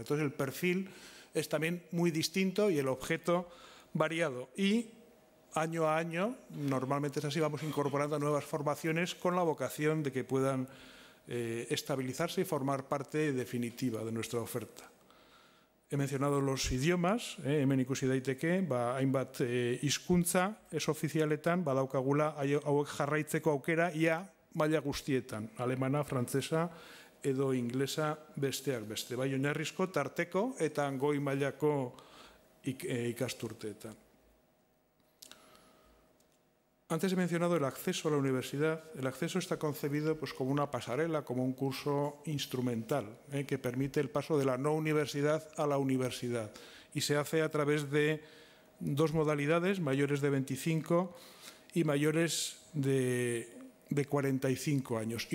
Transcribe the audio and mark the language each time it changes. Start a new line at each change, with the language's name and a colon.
Spanish: Entonces, el perfil es también muy distinto y el objeto variado. Y año a año, normalmente es así, vamos incorporando nuevas formaciones con la vocación de que puedan estabilizarse y formar parte definitiva de nuestra oferta. He mencionado los idiomas,
Basque: hemen ikusi daiteke, hainbat hizkuntza ez ofizialetan, badaukagula hauek jarraitzeko aukera ia maila guztietan, alemana, frantsesa edo inglesa besteak beste, bai oinarrizko, tarteko eta goi mailako ikasturteetan.
Spanish: Antes he mencionado el acceso a la universidad. El acceso está concebido pues, como una pasarela, como un curso instrumental que permite el paso de la no universidad a la universidad. Y se hace a través de dos modalidades, mayores de 25 y mayores de 45 años.